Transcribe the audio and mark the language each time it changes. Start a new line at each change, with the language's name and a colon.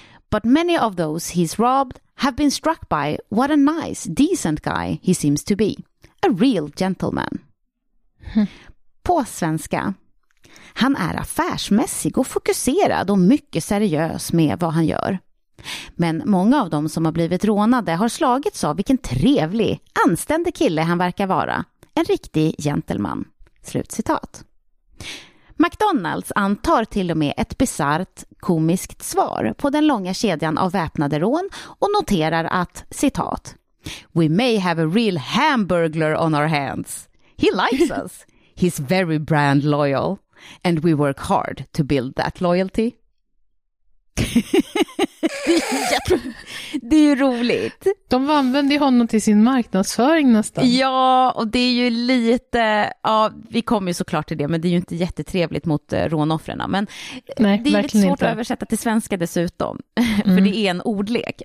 English: But many of those he's robbed have been struck by what a nice, decent guy he seems to be. A real gentleman."
Swedish: På svenska: han är affärsmässig och fokuserad och mycket seriös med vad han gör. Men många av dem som har blivit rånade har slagits av vilken trevlig, anständig kille han verkar vara. En riktig gentleman. Slutcitat. McDonalds antar till och med ett bizarrt, komiskt svar på den långa kedjan av väpnade rån och noterar att, citat,
English: "We may have a real hamburglar on our hands. He likes us. He's very brand loyal. And we work hard to build that loyalty."
Swedish: Det är ju roligt. De använder honom till sin marknadsföring nästan. Ja, och det är ju lite, ja, vi kommer ju såklart till det, men det är ju inte jättetrevligt mot rånoffren. Men nej, det är verkligen lite svårt inte. Att översätta till svenska dessutom. Mm. För det är en ordlek.